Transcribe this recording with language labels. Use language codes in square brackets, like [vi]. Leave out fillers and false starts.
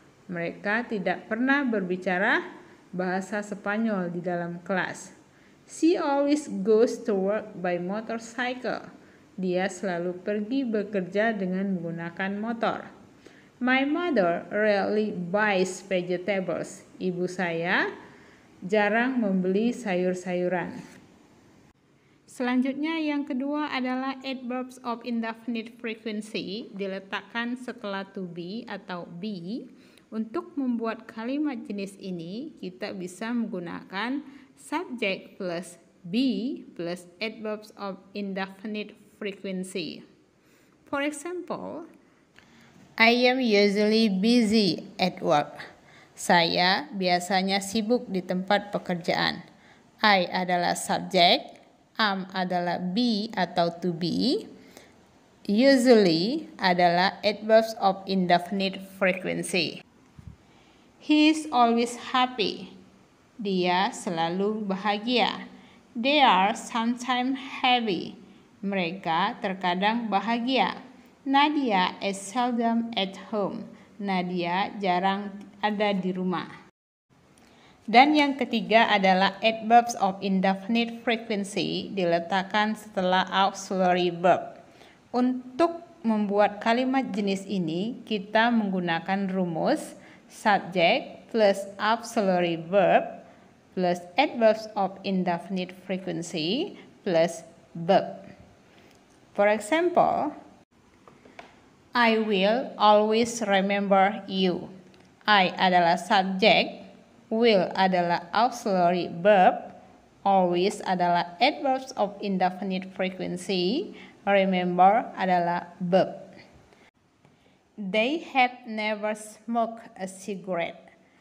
[id] Mereka tidak pernah berbicara bahasa Spanyol di dalam kelas. [en] She always goes to work by motorcycle. [id] Dia selalu pergi bekerja dengan menggunakan motor. [en] My mother rarely buys vegetables. [id] Ibu saya jarang membeli sayur-sayuran. Selanjutnya yang kedua adalah adverbs of indefinite frequency diletakkan setelah to be atau be. Untuk membuat kalimat jenis ini, kita bisa menggunakan subject plus be plus adverbs of indefinite frequency. [en] For example, I am usually busy at work. [id] Saya biasanya sibuk di tempat pekerjaan. I adalah subject, am adalah be atau to be. Usually adalah adverbs of indefinite frequency. [en] He is always happy. [id] Dia selalu bahagia. [en] They are sometimes happy. [id] Mereka terkadang bahagia. [en] Nadia is seldom at home. [id] Nadia jarang ada di rumah. Dan yang ketiga adalah adverbs of indefinite frequency diletakkan setelah auxiliary verb. Untuk membuat kalimat jenis ini, kita menggunakan rumus subject plus auxiliary verb plus adverbs of indefinite frequency plus verb. [en] For example, I will always remember you. [id] I adalah subject, will adalah auxiliary verb, always adalah adverbs of indefinite frequency, remember adalah verb. [en] They have never smoked a cigarette.